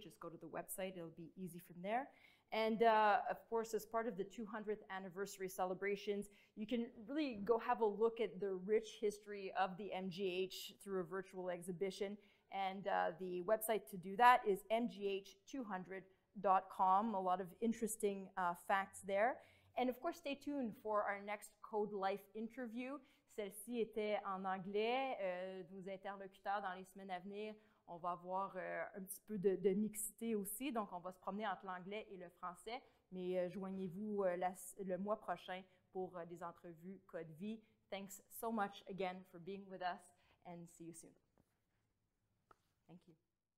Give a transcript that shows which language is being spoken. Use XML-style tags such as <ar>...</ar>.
<en>Just go to the website, it'll be easy from there. And of course, as part of the 200th anniversary celebrations, you can really go have a look at the rich history of the MGH through a virtual exhibition. And the website to do that is mgh200.com. A lot of interesting facts there. And of course, stay tuned for our next Code Life interview.</en> <fr>Celle-ci était en anglais. Nos interlocuteurs dans les semaines à venir, on va avoir un petit peu de mixité aussi. Donc, on va se promener entre l'anglais et le français. Mais joignez-vous le mois prochain pour des entrevues Code Vie.</fr> <en>Thanks so much again for being with us and see you soon. Thank you.</en>